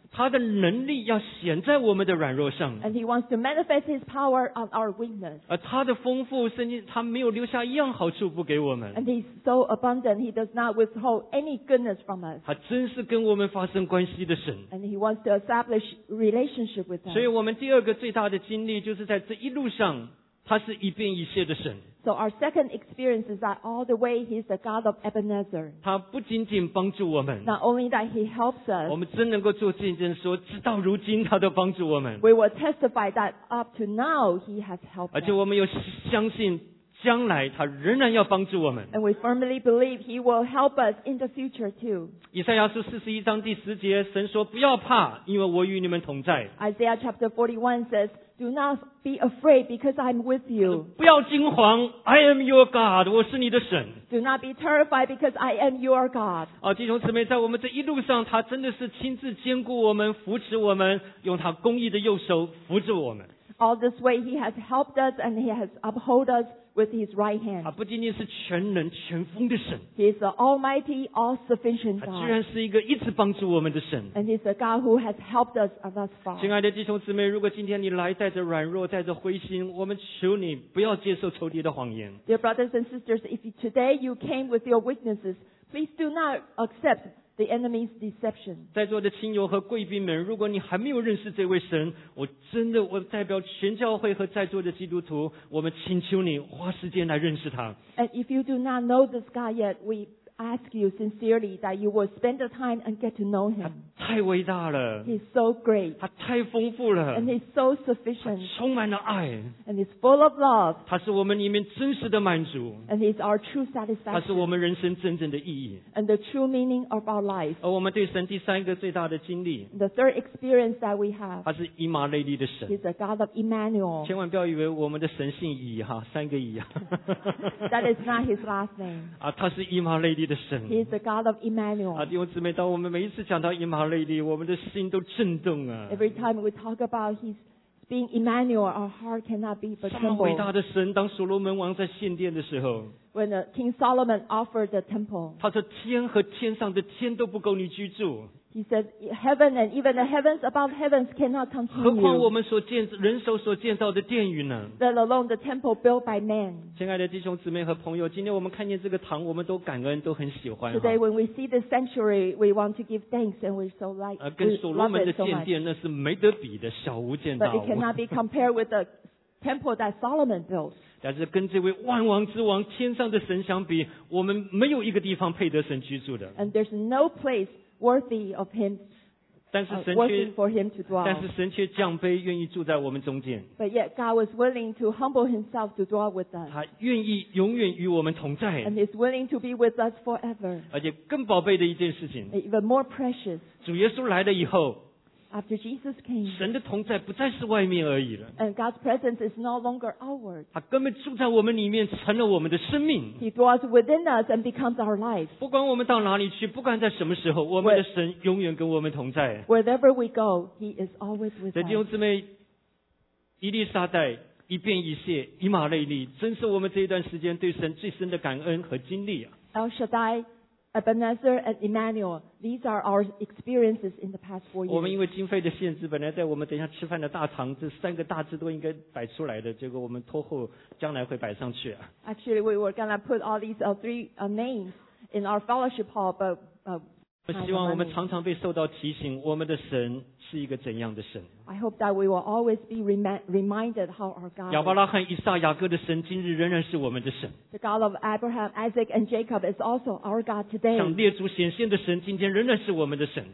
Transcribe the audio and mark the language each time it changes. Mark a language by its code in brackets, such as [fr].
[zh] 他的能力要显在我们的软弱上。 [en] And he wants to manifest his power on our weakness. [zh] 而他的丰富，圣经他没有留下一样好处不给我们。 [en] And he's so abundant. He does not withhold any goodness from us. [zh] 他真是跟我们发生关系的神。 [en] And he wants to establish relationship. [zh] 所以我们第二个最大的经历就是在这一路上他是一变一歇的神。 [en] So our second experience is that all the way he's the God of Ebenezer. [zh] 他不仅仅帮助我们。 [en] Not only that he helps us. [zh] 我们真能够做见证说直到如今他都帮助我们。 [en] We will testify that up to now he has helped us. [zh] 而且我们有相信将来他仍然要帮助我们。 [en] And we firmly believe he will help us in the future too. [zh] 以赛亚书41章第10节，神说不要怕，因为我与你们同在。 [en] Isaiah chapter 41 says, Do not be afraid because I'm with you. [zh] 不要惊慌， [en] I am your God, [zh] 我是你的神。 [en] Do not be terrified because I am your God. [zh] 弟兄姊妹，在我们这一路上，他真的是亲自坚固我们，扶持我们，用他公义的右手扶持我们。 [en] All this way he has helped us and he has upheld us with his right hand. [zh] 他不仅仅是全能全丰的神。 [en] He is the almighty, all-sufficient God. [zh] 他居然是一个一直帮助我们的神。 [en] And he's the God who has helped us thus far. [zh] 亲爱的弟兄姊妹，如果今天你来带着软弱，带着灰心，我们求你不要接受仇敌的谎言。 [en] Dear brothers and sisters, if today you came with your weaknesses, please do not accept the enemy's deception. [zh] 在座的亲友和贵宾们，如果你还没有认识这位神，我真的，我代表全教会和在座的基督徒，我们请求你花时间来认识他。 [en] And if you do not know this God yet, we ask you sincerely that you will spend the time and get to know him. [zh] 他太伟大了。 [en] He's so great. [zh] 他太丰富了。 [en] And he's so sufficient. [zh] 他充满了爱。 [en] And he's full of love. [zh] 他是我们里面真实的满足。 [en] And he's our true satisfaction. [zh] 他是我们人生真正的意义。 [en] And the true meaning of our life. [zh] 而我们对神第三个最大的经历。 [en] The third experience that we have. [zh] 他是以马内利的神。 [en] He's the God of Emmanuel. [zh] 千万不要以为我们的神姓以哈，三个以啊。 [en] That is not his last name. [zh] 他是以马内利。 [en] He is the God of Emmanuel. [zh] 弟兄姊妹，当我们每一次讲到以马内利，我们的心都震动啊。 [en] Every time we talk about his being Emmanuel, our heart cannot be but tremble. [zh] 伟大的神，当所罗门王在献殿的时候。 [en] When King Solomon offered the temple. [zh] 他说天和天上的天都不够你居住。 [en] He said, heaven and even the heavens above heavens cannot contain you. [zh] 何况我们所建人手所建造的殿宇呢？ [en] Let alone the temple built by man. [zh] 亲爱的弟兄姊妹和朋友，今天我们看见这个堂，我们都感恩，都很喜欢。 [en] Today when we see the sanctuary, we want to give thanks and we so like. [zh] 跟所罗门的建殿那是没得比的，小巫见大巫。 [en] But it cannot be compared with the temple that Solomon built. [zh] 但是跟这位万王之王、天上的神相比，我们没有一个地方配得神居住的。 [en] And there's no place. Worthy of him, [zh] 但是神 [en] for him to dwell. [zh] 但是神却降卑，愿意住在我们中间。 [en] But yet God was willing to humble himself to dwell with us. [zh] 他愿意永远与我们同在。 [en] And he's willing to be with us forever. [zh] 而且更宝贝的一件事情。 [en] Even more precious. [zh] 主耶稣来了以后。 [en] After Jesus came, [zh] 神的同在不再是外面而已了。 [en] And God's presence is no longer outward. [zh] 他根本住在我们里面，成了我们的生命。 [en] He dwells within us and becomes our life. [zh] 不管我们到哪里去，不管在什么时候，我们的神永远跟我们同在。 [en] Wherever we go, He is always with us. [zh] 弟兄姊妹，伊丽莎代。一变一歇，以马内利，真是我们这一段时间对神最深的感恩和经历啊。 [en] El Shaddai. Ebenezer and Emmanuel, these are our experiences in the past 4 years. [zh] 我们因为经费的限制，本来在我们等一下吃饭的大堂，这三个大字都应该摆出来的，结果我们拖后，将来会摆上去。 [en] Actually, we were gonna put all these three names in our fellowship hall, but [zh] 我希望我们常常被受到提醒，我们的神是一个怎样的神。 [en] I hope that we will always be reminded how our God is. [zh] 亚伯拉罕、以撒、雅各的神今日仍然是我们的神。 [en] The God of Abraham, Isaac and Jacob is also our God today. [zh] 向列祖显现的神今天仍然是我们的神。